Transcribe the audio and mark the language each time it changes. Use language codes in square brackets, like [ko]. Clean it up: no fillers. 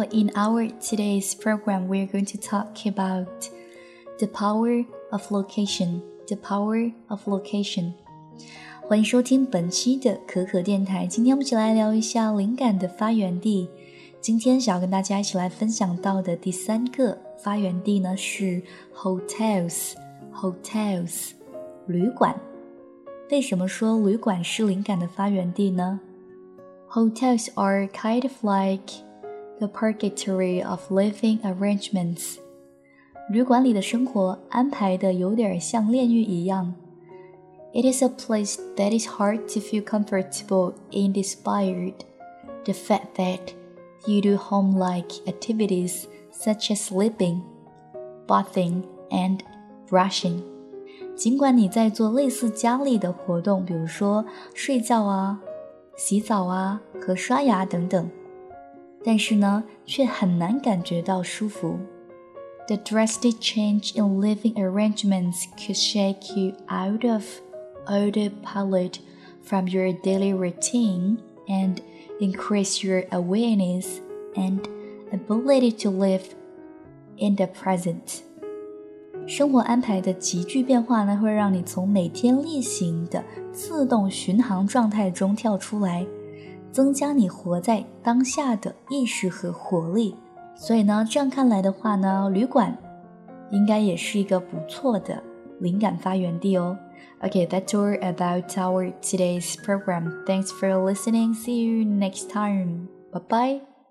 [en] In our today's program, we are going to talk about the power of location. The power of location. [zh] 欢迎收听本期的可可电台。今天我们一起来聊一下灵感的发源地。今天想要跟大家一起来分享到的第三个发源地呢是 hotels, 旅馆。为什么说旅馆是灵感的发源地呢？ [en] Hotels are kind of like the purgatory of living arrangements. [zh] 旅馆里的生活安排的有点像炼狱一样。 [en] It is a place that is hard to feel comfortable in despite the fact that you do home-like activities such as sleeping, bathing, and brushing. [zh] 尽管你在做类似家里的活动，比如说睡觉啊、洗澡啊和刷牙等等，但是呢，却很难感觉到舒服。 [en] The drastic change in living arrangements could shake you out of autopilot from your daily routine and increase your awareness and ability to live in the present. [zh] 生活安排的急剧变化呢，会让你从每天例行的自动巡航状态中跳出来，增加你活在当下的意识和活力。所以呢，这样看来的话呢，旅馆应该也是一个不错的灵感发源地哦。 [en] Okay, that's all about our today's program. Thanks for listening. See you next time. Bye-bye.